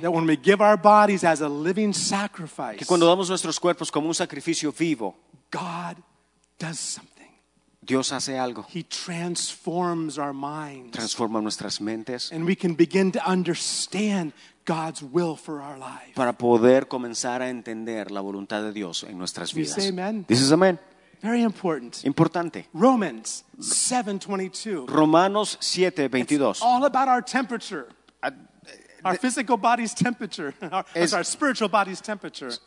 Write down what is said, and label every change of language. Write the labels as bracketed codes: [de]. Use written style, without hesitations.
[en] That when we give our bodies as a living sacrifice. [es] Que cuando damos nuestros cuerpos como un sacrificio vivo. [en] God does something. [es] Dios hace algo. [en] He transforms our minds. [es] Transforma nuestras mentes. [en] And we can begin to understand God's will for our life. [es] Para poder comenzar a entender la voluntad de Dios en nuestras vidas. [en] You say amen? [es] Dices amén. [en] Very important. [es] Importante. [en] Romans 7:22. [es] Romanos 7:22. [en] It's all about our temperature. Our physical body's temperature. Our spiritual body's temperature.